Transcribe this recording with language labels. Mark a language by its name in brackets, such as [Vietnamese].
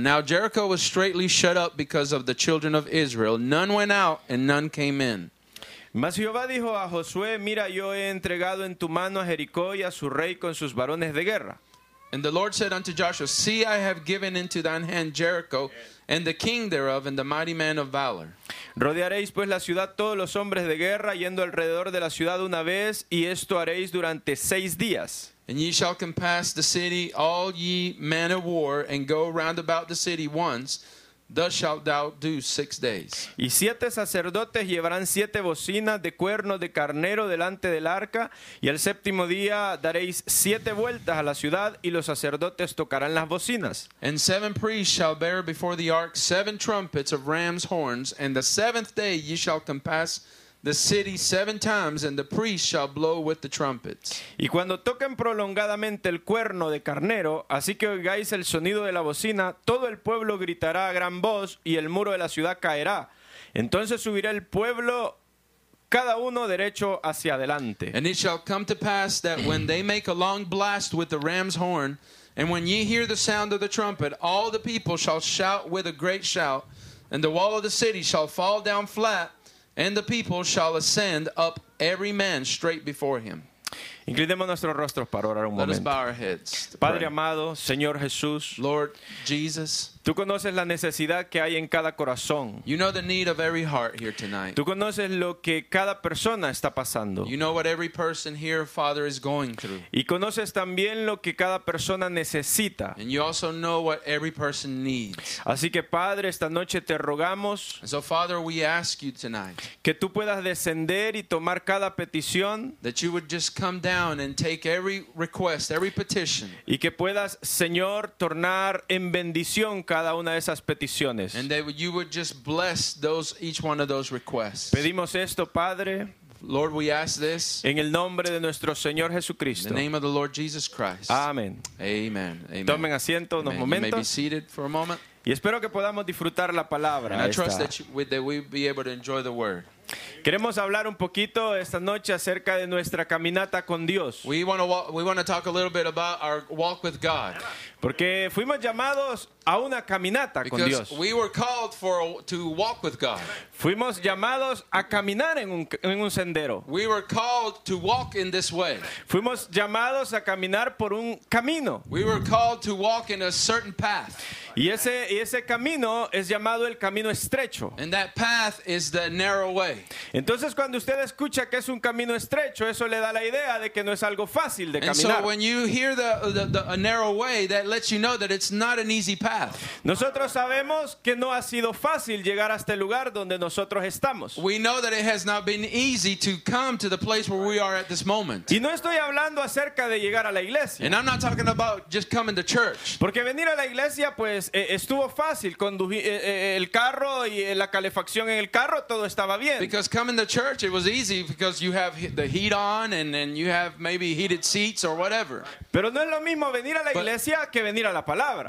[English] Now Jericho was straitly shut up because of the children of Israel. None went out and none came in. [Spanish] Mas Jehová dijo a Josué, mira, yo he entregado en tu mano a Jericó y a su rey con sus varones de guerra. [English] And the Lord said unto Joshua, see, I have given into thine hand Jericho and the king thereof and the mighty man of valor. [Spanish] Rodearéis pues la ciudad todos los hombres de guerra yendo alrededor de la ciudad una vez, y esto haréis durante 6 días. [English] And ye shall compass the city, all ye men of war, and go round about the city once. Thus shalt thou do 6 days. [Spanish] Y 7 sacerdotes llevarán 7 bocinas de cuernos de carnero delante del arca. Y el séptimo día daréis 7 vueltas a la ciudad, y los sacerdotes tocarán las bocinas. [English] And 7 priests shall bear before the ark 7 trumpets of ram's horns. And the 7th day ye shall compass the city 7 times, and the priests shall blow with the trumpets. [Spanish] Y cuando toquen prolongadamente el cuerno de carnero, así que oigáis el sonido de la bocina, todo el pueblo gritará a gran voz, y el muro de la ciudad caerá. Entonces subirá el pueblo, cada uno derecho hacia adelante. [English] And it shall come to pass that when they make a long blast with the ram's horn, and when ye hear the sound of the trumpet, all the people shall shout with a great shout, and the wall of the city shall fall down flat, and the people shall ascend up every man straight before him. [Spanish] Inclinemos nuestros rostros para orar un momento. [English] Let us bow our heads. [Spanish] Padre amado, Señor Jesús. [English] Lord Jesus. [Spanish] Tú conoces la necesidad que hay en cada corazón. [English] You know the need of every heart here tonight. [Spanish] Tú conoces lo que cada persona está pasando. [English] You know what every person here, Father, is going through. [Spanish] Y conoces también lo que cada persona necesita. [English] And you also know what every person needs. [Spanish] Así que, Padre, esta noche te rogamos. [English] And so, Father, we ask you tonight. [Spanish] Que tú puedas descender y tomar cada petición. [English] That you would just come down and take every request, every petition. [Spanish] Y que puedas, Señor, tornar en bendición cada una de esas peticiones. [English] And that you would just bless those, each one of those requests. [Spanish] Pedimos esto, Padre, [English] Lord, we ask this [Spanish] en el nombre de nuestro Señor Jesucristo. [English] In the name of the Lord Jesus Christ. Amen. Amen. [Spanish] Tomen asiento unos momentos. [English] You may be seated for a moment. [Spanish] Y espero que podamos disfrutar la palabra. [English] And I trust that we'll be able to enjoy the word. [Spanish] Queremos hablar un poquito esta noche acerca de nuestra caminata con Dios. [English] We want to talk a little bit about our walk with God. [Spanish] Porque fuimos llamados a una caminata [English] Because [Spanish] con Dios. [English] We were called to walk with God. [Spanish] Fuimos llamados a caminar en un sendero. [English] We were called to walk in this way. [Spanish] Fuimos llamados a caminar por un camino. [English] We were called to walk in a certain path. [Spanish] Y ese camino es llamado el camino estrecho. [English] And that path is the narrow way. [Spanish] Entonces, cuando usted escucha que es un camino estrecho, eso le da la idea de que no es algo fácil de caminar. [English] And so when you hear the narrow way, that lets you know that it's not an easy path. [Spanish] Nosotros sabemos que no ha sido fácil llegar hasta el lugar donde nosotros estamos. [English] We know that it has not been easy to come to the place where we are at this moment. [Spanish] Y no estoy hablando acerca de llegar a la iglesia. [English] And I'm not talking about just coming to church. [Spanish] Porque venir a la iglesia, pues, estuvo fácil. Conducir el carro y la calefacción en el carro, todo estaba bien. [English] Because coming to church, it was easy because you have the heat on and you have maybe heated seats or whatever. [Spanish] Pero no es lo mismo venir a la iglesia que venir a la palabra.